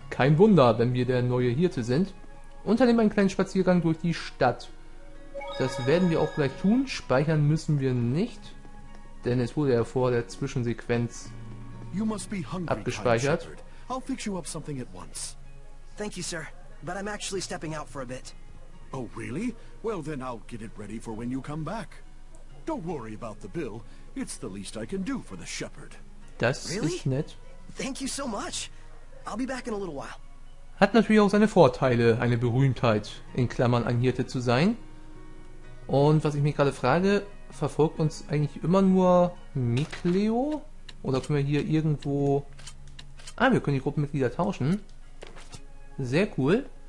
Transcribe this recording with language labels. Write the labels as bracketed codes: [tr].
[de] Kein Wunder, wenn wir der neue Hirte sind. Unternehmen einen kleinen Spaziergang durch die Stadt. Das werden wir auch gleich tun. Speichern müssen wir nicht, denn es wurde ja vor der Zwischensequenz abgespeichert. [en] I'll fix you up something at once. Thank you, sir. But I'm actually stepping out for a bit. Oh, really? Well, then I'll get it ready for when you come back. Don't worry about the bill. It's the least I can do for the shepherd. Das really? [de] Ist nett. [en] Thank you so much. I'll be back in a little while. [de] Hat natürlich auch seine Vorteile, eine Berühmtheit, in Klammern ein Hirte zu sein. Und was ich mich gerade frage, verfolgt uns eigentlich immer nur Mikleo? Oder können wir hier irgendwo... Ah, wir können die Gruppenmitglieder tauschen. Sehr cool.